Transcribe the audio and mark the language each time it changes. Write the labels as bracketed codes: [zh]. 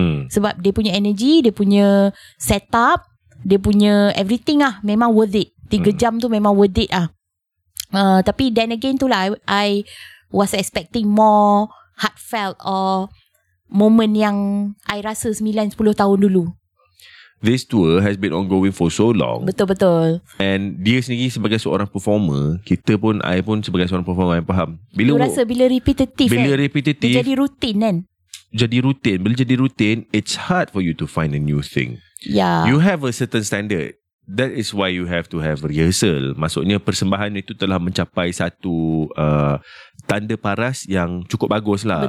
[ms] Sebab dia punya energy, dia punya setup, dia punya [en] everything [ms] lah. Memang [en] worth it. 3 jam tu [ms] memang [en] worth it lah. [ms] Tapi [en] then again tu lah, I was expecting more heartfelt or moment [ms] yang [en] I [ms] rasa 9-10 tahun dulu. [en] This tour has been ongoing for so long. [ms] Betul. [en] And [ms] dia sendiri sebagai seorang performer, kita pun, [en] I [ms] pun sebagai seorang performer, I faham. Bila [en] you [ms] rasa bila repetitive. Bila repetitive. Jadi rutin. Bila jadi rutin, [en] it's hard for you to find a new thing. Yeah. You have a certain standard. That is why you have to have rehearsal. [ms] Maksudnya persembahan itu telah mencapai satu tanda paras yang cukup bagus lah.